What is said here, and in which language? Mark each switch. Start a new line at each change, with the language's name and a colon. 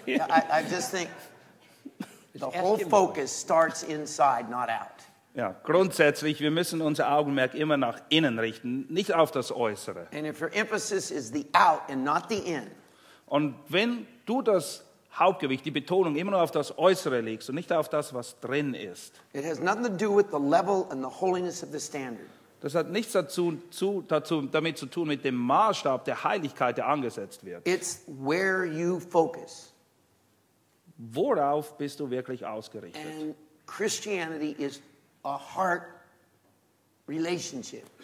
English: I just think the whole focus starts inside, not out.
German: Ja, grundsätzlich, wir müssen unser Augenmerk immer nach innen richten, nicht auf das Äußere.
English: And if your emphasis is the out and not the in.
German: Und wenn du das Hauptgewicht, die Betonung immer nur auf das Äußere legst und nicht auf das, was drin ist.
English: It has nothing to do with the level and the holiness of the standard.
German: Das hat nichts damit zu tun mit dem Maßstab der Heiligkeit, der angesetzt wird.
English: It's where you focus.
German: Worauf bist du wirklich ausgerichtet?
English: And Christianity is a heart relationship.